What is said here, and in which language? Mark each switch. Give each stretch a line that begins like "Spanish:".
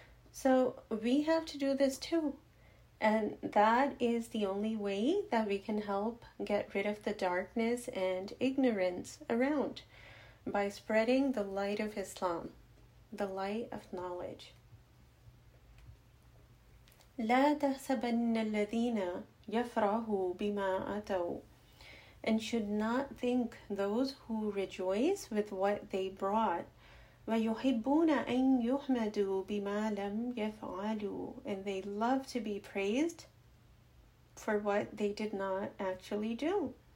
English: So we have to do this too. And that is the only way that we can help get rid of the darkness and ignorance around, by spreading the light of Islam, the light of knowledge.
Arabic: لا تحسبن الذين يفرحوا بما أتوا.
English: And should not think those who rejoice with what they brought.
Arabic: وَيُحِبُّونَ أَن يُحْمَدُوا بِمَا لَمْ يَفْعَلُوا.
English: And they love to be praised for what they did not actually do.